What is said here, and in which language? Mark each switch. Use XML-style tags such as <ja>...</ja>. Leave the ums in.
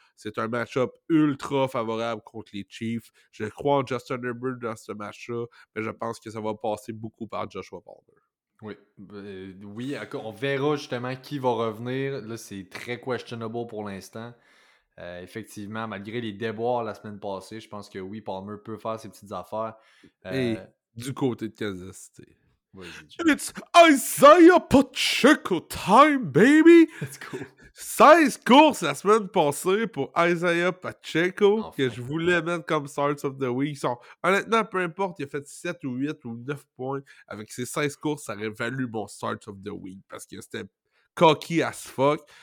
<fr>C'est un match-up ultra favorable contre les Chiefs. Je crois en Justin Herbert dans ce match-là, mais je pense que ça va passer beaucoup par Joshua Palmer. Oui, euh, oui, encore, on verra justement qui va revenir. Là, c'est très questionable pour l'instant. Euh, effectivement, malgré les déboires la semaine passée, je pense que oui, Palmer peut faire ses petites affaires. Euh, Et- Du côté de Kansas City. Vas-y, Jay.</fr> <en>And it's Isaiah Pacheco time, baby! Let's go.</en> <fr>16 courses la semaine passée pour Isaiah Pacheco, Enfin. que je voulais mettre comme Starts of the Week. Ils sont- honnêtement, peu importe, il a fait 7 ou 8 ou 9 points. Avec ses 16 courses, ça aurait valu mon Starts of the Week parce que c'était</fr> <en>cocky as fuck.</en>